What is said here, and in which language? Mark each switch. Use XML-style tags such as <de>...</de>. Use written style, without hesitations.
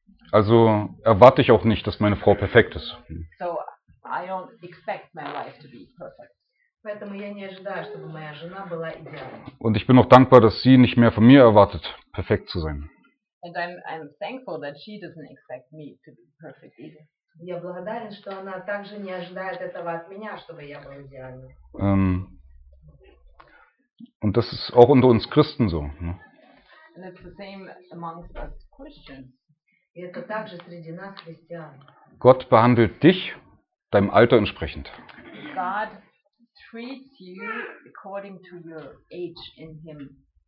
<de>Also erwarte ich auch nicht, dass meine Frau perfekt ist.</de> <en>I don't expect my wife to be perfect.</en> <ru>Поэтому я не ожидаю, чтобы моя жена была идеальной.</ru> <de>Und ich bin auch dankbar, dass sie nicht mehr von mir erwartet, perfekt zu sein.</de> <en>And I'm thankful that she doesn't expect me to be perfect either.</en> <ru>Я благодарен, что она также не ожидает этого от меня, чтобы я был идеальным.</ru> <de>Und das ist auch unter uns Christen so, ne?</de> <en>And it's the same amongst us Christians.</en> <ru>И это также среди нас христиан.</ru> <de>Gott behandelt dich deinem Alter entsprechend.</de> <en>God treats you according to your age in him.</en>